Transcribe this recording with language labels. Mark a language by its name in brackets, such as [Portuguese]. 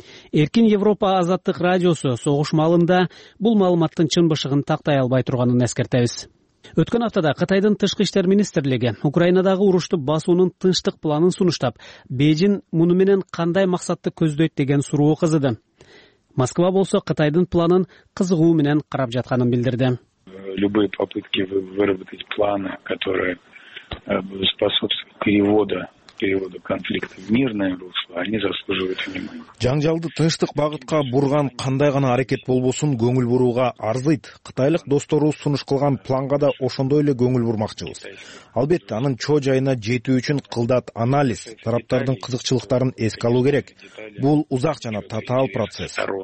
[Kyrgyz] Эркин Европа Азаттык радиосу согуш маалында бул маалыматтын чынбышыгын тактай албай турганын эскертебиз. Өткөн аптада Кытайдын тышкы иштер министрлиги Украинадагы урушту басуунун тынчтык планын сунуштап, Бээжин муну менен кандай максатты көздөйт деген суроо кызыды. Москва болсо Кытайдын планын кызыгуу менен карап жатканын билдирди. [Russian] Любые попытки выработать планы, которые будут способствовать переводу конфликта в мирное русло, они заслуживают внимания. [Kyrgyz] Жаңжалды тынчтык багытка бурган кандай гана аракет болбосун көңүл бурууга арзыйт. Кытайлык достору сунуш кылган планга да ошондой эле көңүл бурмакчыбыз. Албетте, анын чоо жайына жетүү үчүн кылдат анализ, тараптардын кызыкчылыктарын эске алуу керек. Бул узак жана татаал процесс.